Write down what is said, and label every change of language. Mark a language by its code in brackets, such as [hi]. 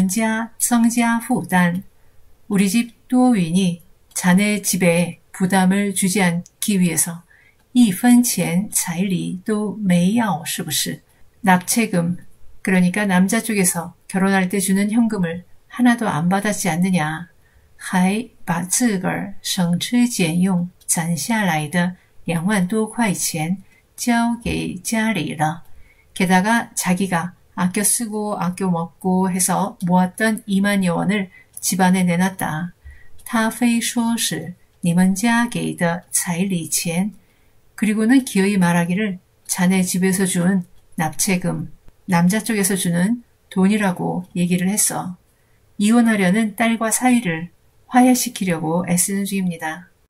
[zh] 多云为了不给你们家增加负担. [ko] 우리 집 多云이 자네 집에 부담을 주지 않기 위해서 [zh] 一分钱彩礼都没要是不是? [ko] 납채금, 그러니까 남자 쪽에서 결혼할 때 주는 현금을 하나도 안 받았지 않느냐. [zh] 还把自个儿省吃俭用攒下来的 2万多块钱交给家里了. [ko] 게다가 자기가 아껴 쓰고 아껴 먹고 해서 모았던 2만여 원을 집안에 내놨다. [zh] 他非说是你们家给的彩礼钱. [ko] 그리고는 기어이 말하기를 자네 집에서 준 납채금, 남자 쪽에서 주는 돈이라고 얘기를 했어. 이혼하려는 딸과 사위를 화해시키려고 애쓰는 중입니다.